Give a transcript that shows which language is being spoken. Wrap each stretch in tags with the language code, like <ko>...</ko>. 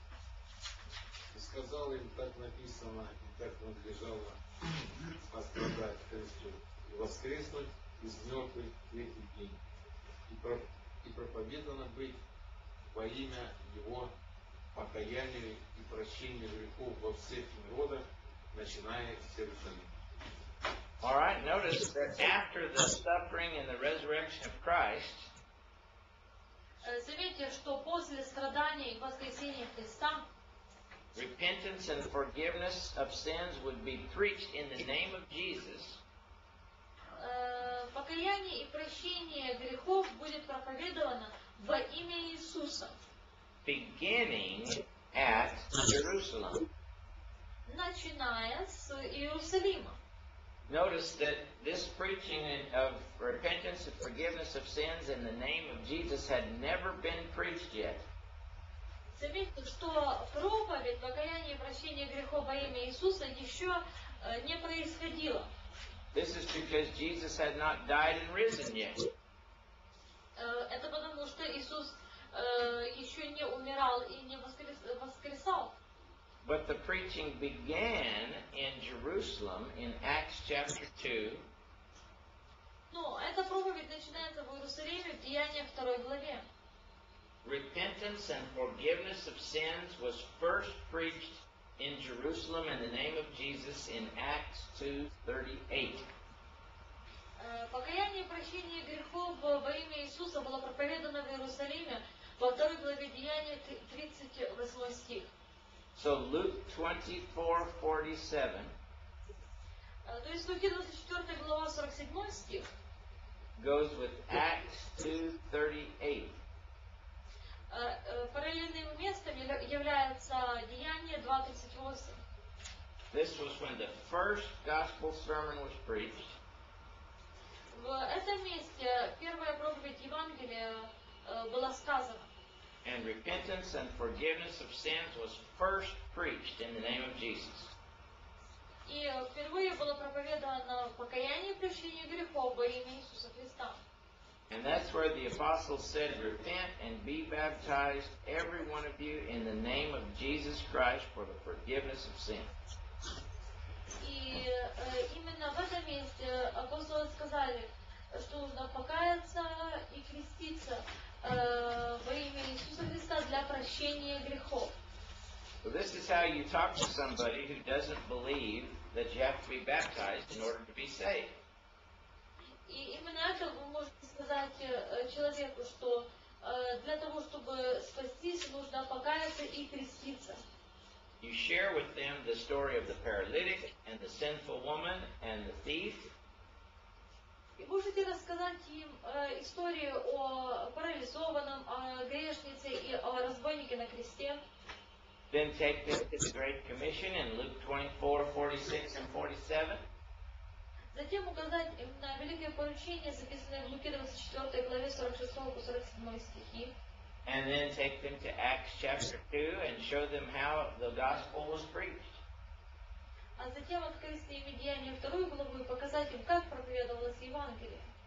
<ru>46-47. И сказал им, так написано, и так надлежало пострадать Христу, и воскреснуть из мертвых третий день, и проповедано быть во имя Его покаяние и прощение грехов во всех народах, начиная с Иерусалима.</ru> <en>All right, notice that after the suffering and the resurrection of Christ,</en> <ru>заметьте, что после страдания и воскресения Христа,</ru> <en>repentance and forgiveness of sins would be preached in the name of Jesus.</en> <ru>Покаяние и прощение грехов будет проповедовано во имя Иисуса.</ru> <en>Beginning at Jerusalem.</en> <ru>Начиная с Иерусалима.</ru> <en>Notice that this preaching of repentance and forgiveness of sins in the name of Jesus had never been preached yet.</en> <ru>Заметьте, что проповедь покаяния и прощения грехов во имя Иисуса еще не происходила.</ru> <en>This is because Jesus had not died and risen yet.</en> <ru>Это потому, что Иисус еще не умирал и не воскресал.</ru> <en>But the preaching began in Jerusalem in Acts chapter 2.</en> <ru>Но эта проповедь начинается в Иерусалиме в Деяниях 2 главе.</ru> <en>Repentance and forgiveness of sins was first preached in Jerusalem in the name of Jesus in Acts 2:38.</en> <ru>Покаяние и прощение грехов во имя Иисуса было проповедано в Иерусалиме во второй главе Деяния 38 стих.</ru> <en>So Luke 24:47.</en> <ru>То есть Луки 24 глава 47 стих.</ru> <en>Goes with Acts 2:38.</en> <ru>Параллельным местом является Деяние 2:38.</ru> <en>This was when the first gospel sermon was preached.</en> <ru>В этом месте первая проповедь Евангелия была сказана.</ru> <en>And repentance and forgiveness of sins was first preached in the name of Jesus.</en> <ru>И впервые было проповедано покаяние и прощение грехов во имя Иисуса Христа.</ru> <en>And that's where the apostles said, repent and be baptized, every one of you, in the name of Jesus Christ for the forgiveness of sins.</en> <ru>И именно в этом месте апостолы сказали, что нужно покаяться и креститься во имя Иисуса Христа для прощения грехов.</ru> <en>So this is how you talk to somebody who doesn't believe that you have to be baptized in order to be saved.</en> <ru>И именно это вы можете сказать человеку, что для того, чтобы спастись, нужно покаяться и креститься.</ru> <en>You share with them the story of the paralytic and the sinful woman and the thief.</en> <ru>И можете рассказать им историю о парализованном, о грешнице и о разбойнике на кресте.</ru> <en>Then take them to the Great Commission in Luke 24:46-47.</en> <ru>Затем указать им на великое поручение, записанное в Луке 24 главе 46-47 стихи.</ru> <en>and then take them to Acts chapter 2 and show them how the gospel was preached.</en> <ru>А затем открыть им Деяния вторую главу и показать им, как проповедовалось Евангелие.</ru>